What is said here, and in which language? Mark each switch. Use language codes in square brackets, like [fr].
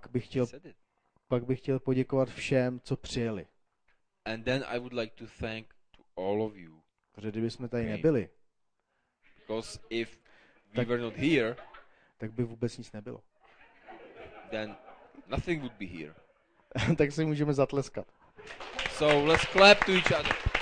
[cs] A pak bych chtěl poděkovat všem, co přijeli. [en] And then I would like to thank to all of you. [cs] Protože kdybychom tady nebyli. [en] Because if we were not here, [cs] tak by vůbec nic nebylo. [en] Then nothing would be here. [cs] Tak si můžeme zatleskat. [en] So let's clap to each other.